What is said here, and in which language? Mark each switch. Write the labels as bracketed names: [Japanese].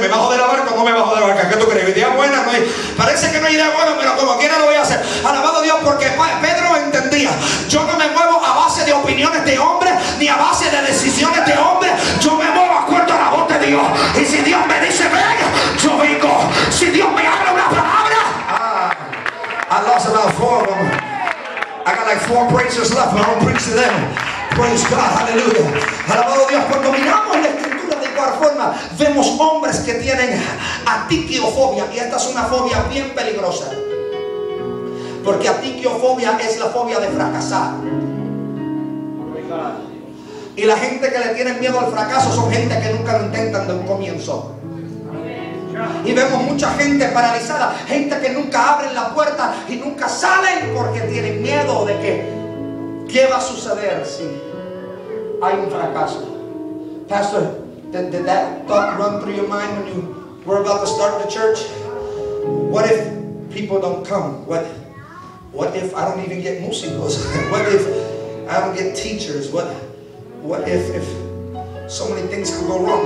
[Spanish] ¿Me bajo de la barca o no me bajo de la barca? ¿Qué tú crees? ¿Idea buena? No hay. Parece que no hay idea buena, pero como quiera lo voy a hacer. Alabado Dios, porque Pedro entendía, yo no me muevo a base de opiniones de hombres ni a base de decisiones de hombres. Yo me muevo a cuarto a la voz de Dios. Y si Dios me dice ven, yo vengo. Si Dios me habla una palabra. [English] I lost about four of them. I got like four preachers left, but I don't preach to them. Praise God, hallelujah. [Spanish] Alabado Dios, cuando miramos la escritura de igual forma, vemos hombres que tienen atiquiofobia. Y esta es una fobia bien peligrosa. Porque atiquiofobia es la fobia de fracasar. Y la gente que le tiene miedo al fracaso son gente que nunca lo intentan de un comienzo. Y vemos mucha gente paralizada, gente que nunca abre la puerta y nunca salen porque tienen miedo de que, ¿qué va a suceder si hay un fracaso? [English] Pastor, did that thought run through your mind when you were about to start the church? What if people don't come? What if I don't even get músicos? What if I don't get teachers? What if so many things could go wrong?